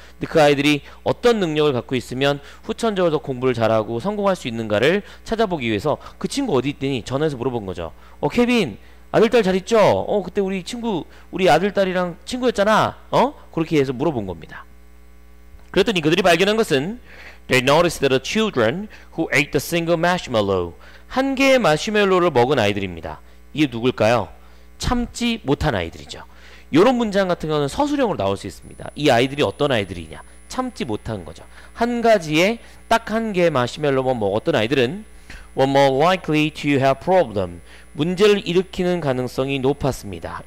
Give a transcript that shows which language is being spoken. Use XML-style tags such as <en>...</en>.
<ko>근데 그 아이들이 어떤 능력을 갖고 있으면 후천적으로 공부를 잘하고 성공할 수 있는가를 찾아보기 위해서 그 친구 어디 있더니 전화해서 물어본 거죠. 어, 케빈 아들딸 잘 있죠? 어, 그때 우리 친구, 우리 아들딸이랑 친구였잖아. 어? 그렇게 해서 물어본 겁니다. 그랬더니 그들이 발견한 것은</ko> <en>They noticed that the children who ate a single marshmallow</en> <ko>한 개의 마시멜로를 먹은 아이들입니다. 이게 누굴까요? 참지 못한 아이들이죠. 요런 문장 같은 경우는 서술형으로 나올 수 있습니다. 이 아이들이 어떤 아이들이냐? 참지 못한 거죠. 한 가지에 딱 한 개의 마시멜로만 먹었던 아이들은</ko> <en>were more likely to have problem</en> <ko>문제를 일으키는 가능성이 높았습니다.</ko>